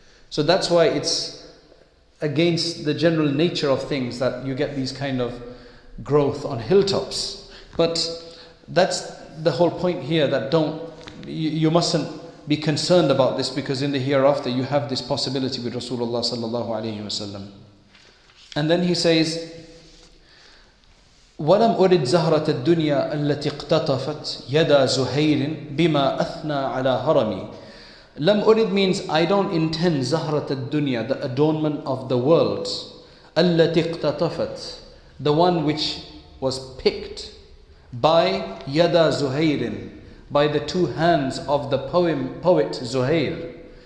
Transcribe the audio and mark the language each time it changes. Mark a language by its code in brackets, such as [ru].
[en] So that's why it's against the general nature of things that you get these kind of growth on hilltops. But that's the whole point here, that you mustn't be concerned about this, because in the hereafter you have this possibility with Rasulullah sallallahu alayhi wa sallam. [ar] And then he says, وَلَمْ أُرِدْ زَهْرَةَ الدُّنْيَا أَلَّتِي اقْتَطَفَتْ يَدَى زُهَيْرٍ بِمَا أَثْنَى عَلَى هَرَمِي. لَمْ أُرِدْ [en] means, I don't intend [ar] زَهْرَةَ الدُّنْيَا, [en] the adornment of the world. [ar] أَلَّتِي اقْتَطَفَتْ, [en] the one which was picked by [ar] يَدَى زُهَيْرٍ, [en] by the two hands of the poet Zuhair.